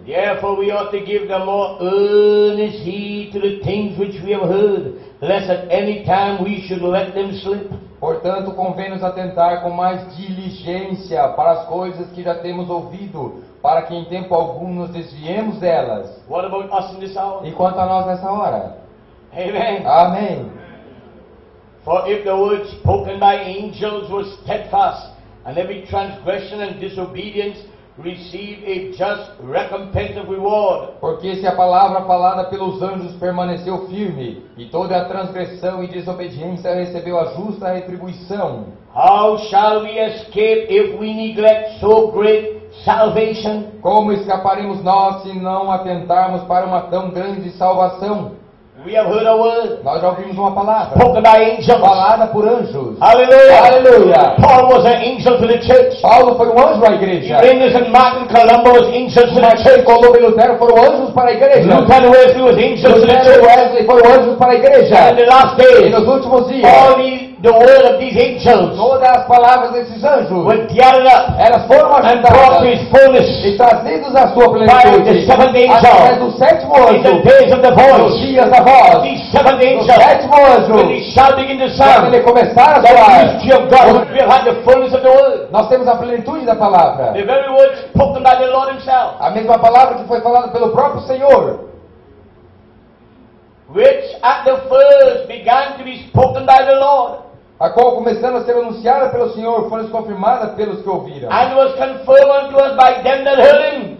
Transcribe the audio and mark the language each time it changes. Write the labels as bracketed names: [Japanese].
[English] Therefore we ought to give the more earnest heed to the things which we have heard, lest at any time we should let them slip. [Portuguese] Portanto, convém-nos atentar com mais diligência para as coisas que já temos ouvido, para que em tempo algum nos desviemos delas. [English] What about us in this hour? [Portuguese] E quanto a nós nessa hora? [English] Amen. [Portuguese] Amém. [English] For if the word spoken by angels was steadfast, and every transgression and disobedience received a just recompense of reward. [Portuguese] Porque se a palavra falada pelos anjos permaneceu firme, e toda a transgressão e desobediência recebeu a justa retribuição. [English] How shall we escape if we neglect so great salvation? [Portuguese] Como escaparemos nós se não atentarmos para uma tão grande salvação? [English] We have heard a word. [Portuguese] Nós já ouvimos uma palavra. [English] Spoken by angels. [Portuguese] Falada por anjos. [English] Aleluia. [Portuguese] Aleluia. [English] Paul was an angel to the church. [Portuguese] Paulo foi um anjo à igreja. [English] Irenaeus and Martin Columba was angels to the church. [Portuguese] Colombo e Lutero foram anjos para a igreja. [English] Luther and Wesley was angels to the church. [Portuguese] Wesley foram anjos para a igreja. [English] And the last days. [Portuguese] E nos últimos dias. [English] All the word of these angels. [Portuguese] Todas as palavras desses anjos. [English] Were gathered up. [Portuguese] Elas foram ajuntadas. [English] And brought to his fullness. [Portuguese] E trazidos à sua plenitude. [English] By the seventh angel. [Portuguese] Através do sétimo anjo. [English] In the days of the voice. [Portuguese] Nos dias da voz. [English] These seven angels, [Portuguese] sétimo anjo, [English] when he shall begin to sound, [Portuguese] quando ele começar a soar, nós temos a plenitude da palavra. [English] The very word spoken by the Lord himself, [Portuguese] a mesma palavra que foi falada pelo próprio Senhor, [English] which at the first began to be spoken by the Lord, [Portuguese] a qual começando a ser anunciada pelo Senhor, foi confirmada pelos que ouviram, [English] and was confirmed unto us by them that heard him,